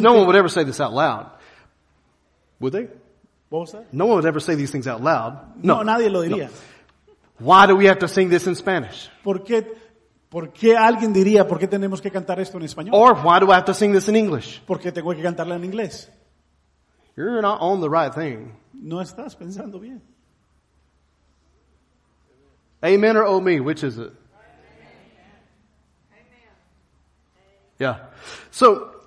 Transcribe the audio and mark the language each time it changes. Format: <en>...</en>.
<en>no one would ever say this out loud. Would they? What was that? No one would ever say these things out loud.</en> <es>No, nadie lo diría. No.</es> <en>Why do we have to sing this in Spanish?</en> <es>¿Por qué ¿Por qué alguien diría por qué tenemos que cantar esto en español?</es> <en>Or why do I have to sing this in English?</en> <es>¿Por qué tengo que cantarla en inglés?</es> <en>You're not on the right thing.</en> <es>No estás pensando bien.</es> <en>Amen or oh me, which is it? Yeah. So,</en>